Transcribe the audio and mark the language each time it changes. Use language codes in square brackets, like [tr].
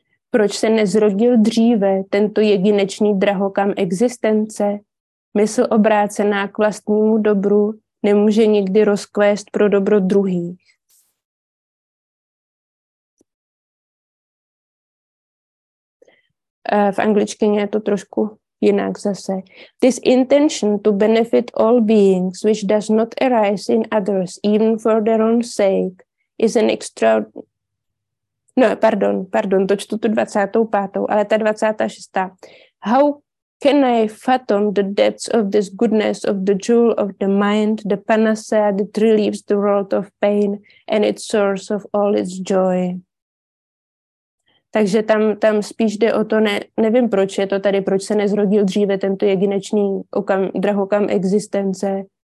[cs] Proč se nezrodil dříve tento jedinečný drahokam existence, mysl obrácená k vlastnímu dobru, nemůže nikdy rozkvést pro dobro druhých. V angličtině je to trošku jinak zase. [en] This intention to benefit all beings, which does not arise in others, even for their own sake, is an extra... [cs] No, pardon, to čtu tu 25., ale ta 26. [en] How can I fathom the depths of this goodness of the jewel of the mind, the panacea that relieves the world of pain and its source of all its joy? [cs] Takže tam spíš jde o to, nevím, proč je to tady, proč se nezrodil dříve tento jedinečný drahokam existence.